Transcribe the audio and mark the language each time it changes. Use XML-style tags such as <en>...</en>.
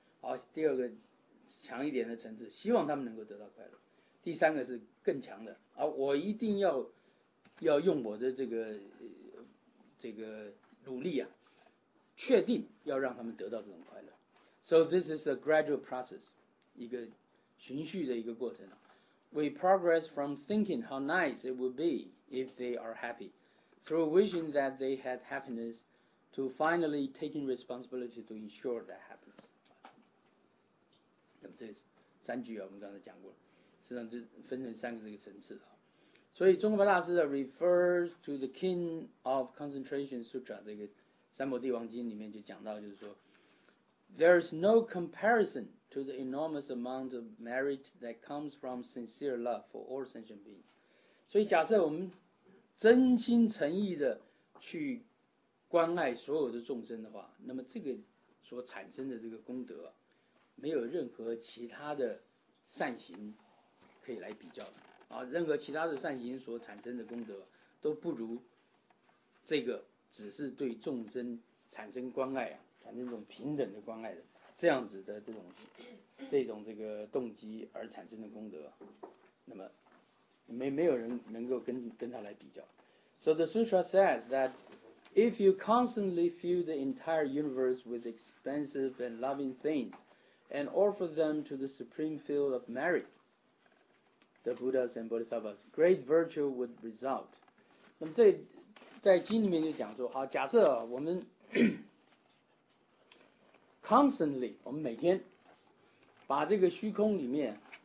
<zh>好，第二个强一点的层次，希望他们能够得到快乐。第三个是更强的啊，我一定要用我的这个努力啊，确定要让他们得到这种快乐。</zh> <en>So this is a gradual process，</en> <zh>一个循序的一个过程。</zh> <en>We progress from thinking how nice it would be if they are happy, through wishing that they had happiness, to finally taking responsibility to ensure that happiness。</en> <zh>那么这三句啊，我们刚才讲过了，实际上这分成三个这个层次啊。所以中国大师啊</zh> <en>refers to the King of Concentration Sutra</en> <zh>这个三宝帝王经里面就讲到，就是说。</zh> <en>There is no comparison to the enormous amount of merit that comes from sincere love for all sentient beings.</en> <zh>所以假设我们真心诚意的去关爱所有的众生的话，那么这个所产生的这个功德，没有任何其他的善行可以来比较的。啊，任何其他的善行所产生的功德都不如这个只是对众生产生关爱啊。产生这种平等的关爱的这样子的这种这个动机而产生的功德，那么没有人能够跟他来比较。</zh> <en>So the sutra says that if you constantly fill the entire universe with expensive and loving things and offer them to the supreme field of merit, the Buddhas and Bodhisattvas, great virtue would result.</en> <zh>那么这在经里面就讲说，好，假设我们constantly， 我们每天把这个虚空里面</zh>